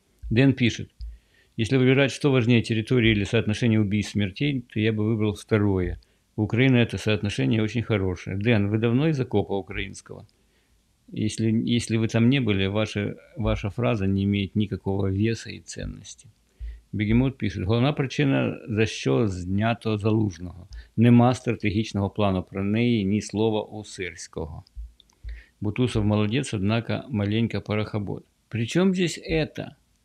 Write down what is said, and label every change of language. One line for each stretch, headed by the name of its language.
Russian: Дэн пишет: «Если выбирать, что важнее, территория или соотношение убийств и смертей, то я бы выбрал второе. У Украины это соотношение очень хорошее». Дэн, вы давно из окопа украинского? Если вы там не были, ваша фраза не имеет никакого веса и ценности. Бегемот пишет:
Ukrainian: «Головна причина, за що знято Залужного. Нема стратегічного плану, про неї ні слова у Сирського».
Russian: Бутусов молодец, однако маленько парохобот. При чем здесь это?